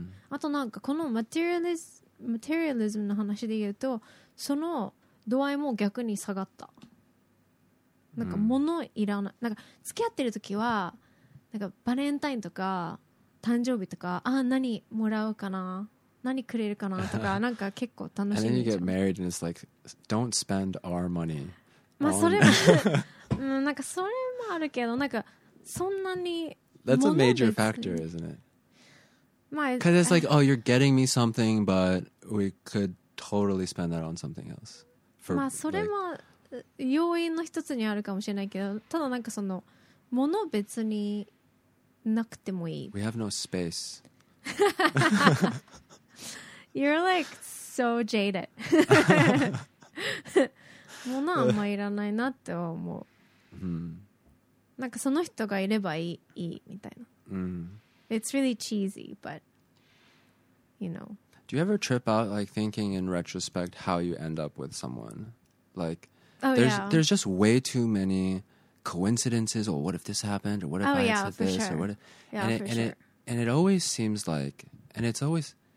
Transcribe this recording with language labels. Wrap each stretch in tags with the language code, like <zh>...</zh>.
<ja>あとなんかこのマテリアリズムの話で言うと、その度合いも逆に下がった。なんか物いらない、なんか付き合ってる時はなんかバレンタインとか誕生日とか、あ、何もらうかな、何くれるかなとか、なんか結構楽しみじゃん。</ja> <en>And then you get married and it's like, don't spend our money.</en> <ja>まあそれも、なんかそれもあるけど、なんかそんなに。</ja> <en>That's a major factor, isn't it? まあ、 because it's like, oh, you're getting me something, but we could totally spend that on something else. For,</en> <ja>まあそれも要因の一つにあるかもしれないけど、ただなんかその物別になくてもいい。</ja> <en>We have no space. You're like so jaded.</en> <ja>もうなあんまいらないなって思う。 Mm. なんかその人がいればいい、いいみたいな。 Mm.</ja> <en>It's really cheesy, but you know. Do you ever trip out like thinking in retrospect how you end up with someone? Like, there's just way too many coincidences. Or what if this happened? Or what if I said this? Sure. Or what? Yeah, and it always seems like, and it's always.</en>